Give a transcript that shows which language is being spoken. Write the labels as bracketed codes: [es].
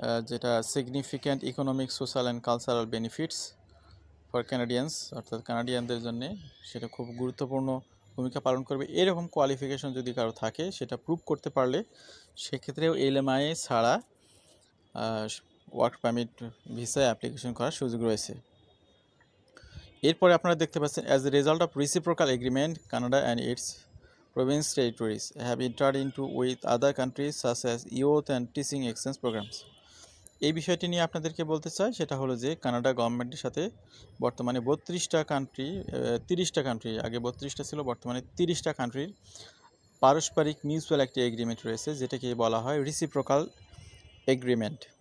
[bn] যেটা [en] significant economic, social and cultural benefits for Canadians, [bn] অর্থাৎ কানাডিয়ানদের জন্যে সেটা খুব গুরুত্বপূর্ণ ভূমিকা পালন করবে, এরকম কোয়ালিফিকেশন যদি কারো থাকে সেটা প্রুভ করতে পারলে সেক্ষেত্রেও এলএমআই ছাড়া ওয়ার্ক পারমিট ভিসায় অ্যাপ্লিকেশন করার সুযোগ রয়েছে। এরপরে আপনারা দেখতে পাচ্ছেন [en] As a result of reciprocal agreement Canada and its province territories have entered into with other countries such as youth and teaching exchange programs. [bn] এই বিষয়টি নিয়ে আপনাদেরকে বলতে চাই, সেটা হলো যে কানাডা গভর্নমেন্টের সাথে বর্তমানে 30টা কান্ট্রি, আগে 32টা ছিল, বর্তমানে 30টা কান্ট্রির পারস্পরিক মিউচুয়াল একটি এগ্রিমেন্ট রয়েছে, যেটাকে বলা হয় রিসিপ্রোকাল এগ্রিমেন্ট।